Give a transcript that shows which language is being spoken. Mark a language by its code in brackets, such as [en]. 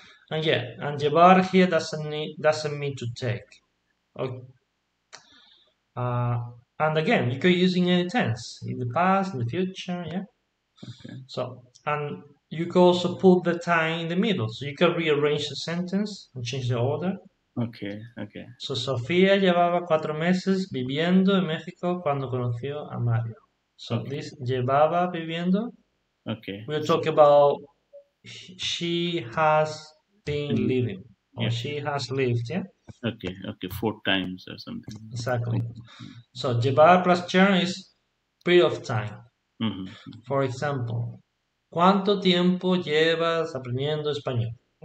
[en] And yeah, and llevar here doesn't mean to take. And again, you could use in any tense, in the past, in the future, yeah. So, and you could also put the time in the middle. So you can rearrange the sentence and change the order. Okay. [es] So Sofía llevaba 4 meses viviendo en México cuando conoció a Mario. [en] So Okay. this [es] llevaba viviendo. [en] Okay. We're talking about she has been living, or Yes. she has lived, yeah? Okay, 4 times or something. Exactly. So llevar plus churn is period of time. For example, [es] ¿cuánto tiempo llevas aprendiendo español?